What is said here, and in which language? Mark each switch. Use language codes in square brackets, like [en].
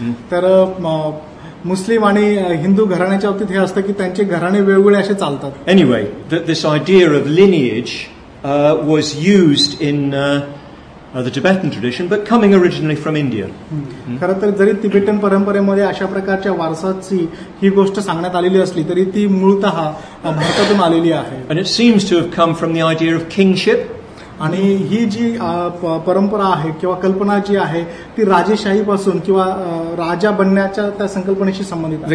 [mr] तर मुस्लिम आणि हिंदू घराण्याच्या बाबतीत हे असतं की त्यांचे घराणे वेगवेगळे असे चालतात [en] anyway this idea of lineage was used in the Tibetan tradition but coming originally from India [mr] खरं तर जरी तिबेटन परंपरेमध्ये अशा प्रकारच्या वारसाची ही गोष्ट सांगण्यात आलेली असली तरी ती मूळतः भारतातून आलेली आहे [en] and it seems to have come from the idea of kingship [mr] आणि ही जी परंपरा आहे किंवा कल्पना जी आहे ती राजेशाहीपासून किंवा राजा बनण्याच्या त्या संकल्पनेशी संबंधित